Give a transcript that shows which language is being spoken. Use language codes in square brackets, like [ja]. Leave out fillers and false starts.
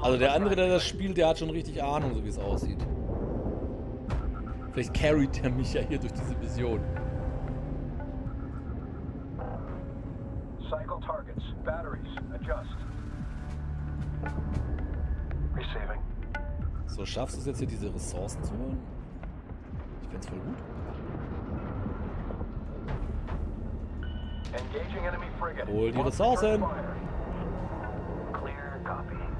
[de] Also der andere, der das spielt, der hat schon richtig Ahnung, so wie es aussieht. Vielleicht carried er mich ja hier durch diese Mission. [en] Cycle targets, batteries, adjust. Receiving. [de] So, schaffst du es jetzt hier diese Ressourcen zu holen? Ich find's voll gut. [en] Engaging enemy frigate. [de] Hol die Ressourcen! [en] Clear copy.